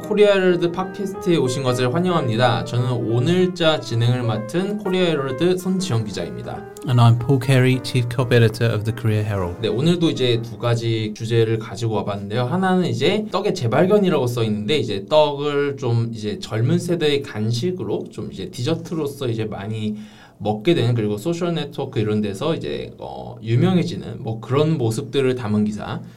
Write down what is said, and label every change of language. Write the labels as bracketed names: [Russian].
[Korean] 코리아헤럴드 팟캐스트에 오신 것을 환영합니다. 저는 오늘자 진행을 맡은 코리아헤럴드 손지영 기자입니다. [English] And I'm Paul Carey, Chief Cop Editor of the Korea Herald. [Korean] 네, 오늘도 이제 두 가지 주제를 가지고 와봤는데요. 하나는 이제 떡의 재발견이라고 써 있는데 이제 떡을 좀 이제 젊은 세대의 간식으로 좀 이제 디저트로서 이제 많이 먹게 되는 그리고 소셜 네트워크 이런 데서 이제 유명해지는 뭐 그런 모습들을 담은 기사.